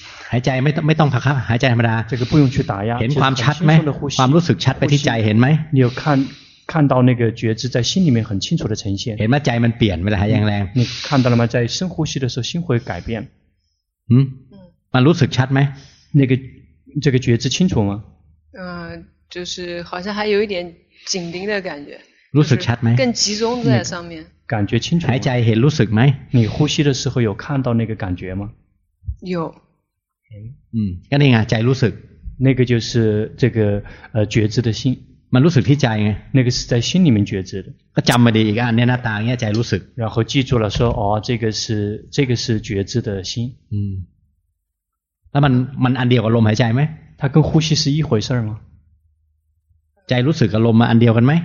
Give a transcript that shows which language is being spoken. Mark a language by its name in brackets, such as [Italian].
[Thai] หายใจไม่ต้องพักหายใจธรรมดา [Chinese] 这个不用去打压 [Thai] เห็นความชัดไหมความรู้สึกชัดไปที่ใจเห็นไหม [Chinese] 你有看到那个觉知在心里面很清楚的呈现 [Thai] เห็นไหมใจมันเปลี่ยนเวลาหายใจแรง [Chinese] 你看到了吗在深呼吸的时候心会改变 [Thai] มันรู้สึกชัดไหม [Chinese] 那个这个觉知清楚吗就是好像还有一点紧盯的感觉 [Thai] รู้สึกชัดไหม [Chinese] 更集中在上面感觉清楚吗？还在很清楚吗？你呼吸的时候有看到那个感觉吗？有。嗯，那个啊，在清楚。那个就是这个觉知的心。 [Thai] มัน [Chinese] 清楚 [Thai] ที่ใจ [Chinese] 那个是在心里面觉知的。 [Thai] ก็จำมาดีอีกอันเนี้ยนะต่างเนี้ยใจรู้สึก。 [Chinese] 然后记住了说哦，这个是觉知的心。嗯。 [Thai] 那มันอันเดียวกับลมหายใจไหม？ [Chinese] 它跟呼吸是一回事吗？ [Thai] ใจรู้สึกกับลมมาอันเดียวกันไหม